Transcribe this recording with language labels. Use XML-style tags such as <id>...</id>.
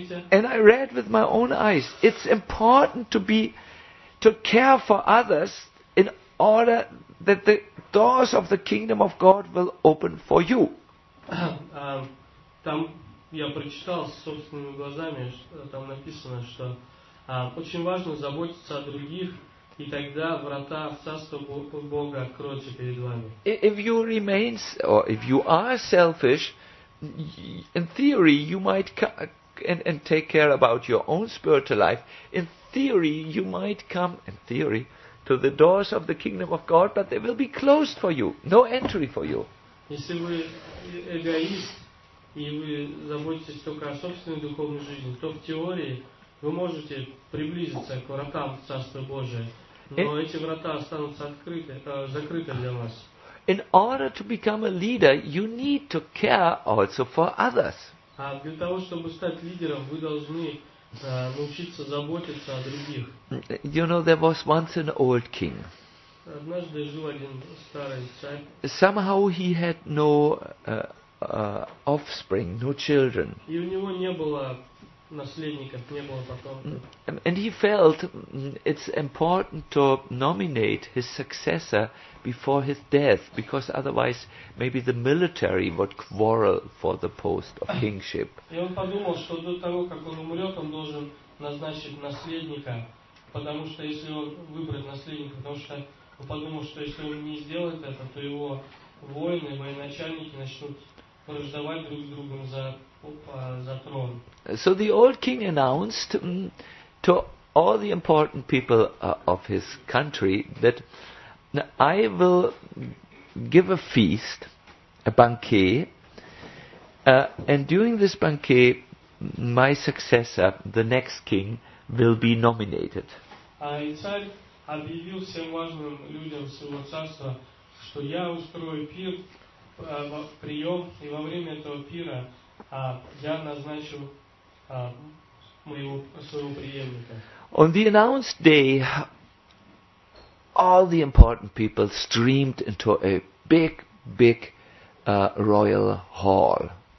<en>And I read with my own eyes. It's important to care for others in order that the doors of the kingdom of God will open for you.</en> <ru>Там я прочитал собственными глазами, что там написано, что очень важно заботиться о других, и тогда врата в царство Бога откроются перед вами.</ru> <en>If you remain or if you are selfish, in theory you might and take care about your own spiritual life. In theory, you might come in theory to the doors of the kingdom of God, but they will be closed for you. No entry for you.</en> <ru>Если вы эгоист и вы заботитесь только о собственной духовной жизни, то в теории вы можете приблизиться к вратам Царства Божия, но эти врата останутся закрыты для вас.</ru> <en>In order to become a leader, you need to care also for others.</en> <ru>А для того, чтобы стать лидером, вы должны научиться заботиться о других.</ru> <en>You know, there was once an old king.</en> <ru>Однажды жил один старый царь.</ru> <en>Somehow he had no offspring, no children.</en> <ru>И у него не было наследников, не было потомков.</ru> <en>And he felt it's important to nominate his successor before his death, because otherwise maybe the military would quarrel for the post of kingship.</en> <ru>И он подумал, что до того, как он умрет, он должен назначить наследника, потому что если он выбрать наследника, потому что он подумал, что если он не сделает это, то его воины, военачальники начнут враждовать друг с другом за трон.</ru> <en>So the old king announced to all the important people of his country that I will give a feast, a banquet, and during this banquet, my successor, the next king, will be nominated.</en> <ru>И царь объявил всем важным людям своего царства, что я устрою пир, прием, и во время этого пира я назначу своего преемника.</ru> <en>On the announced day, all the important people streamed into a big, big royal hall.</en>